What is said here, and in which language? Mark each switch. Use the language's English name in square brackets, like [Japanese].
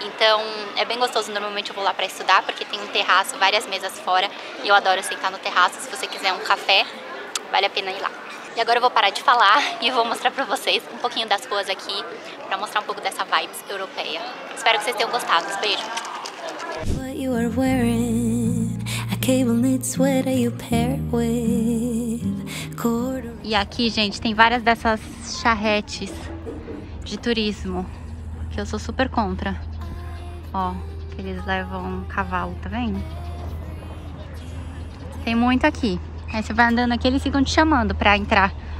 [Portuguese] Então é bem gostoso, normalmente eu vou lá pra estudar, porque tem um terraço, várias mesas fora. E eu adoro sentar no terraço, se você quiser um café, vale a pena ir lá. E agora eu vou parar de falar e vou mostrar pra vocês um pouquinho das ruas aqui, pra mostrar um pouco dessa vibes europeia. Espero que vocês tenham gostado. Beijo! [English] What you are wearing, a cable knit sweater you pair with. [Portuguese] E aqui, gente, tem várias dessas charretes de turismo, que eu sou super contra. Ó, que eles levam cavalo, tá vendo? Tem muito aqui. Aí você vai andando aqui, eles ficam te chamando pra entrar.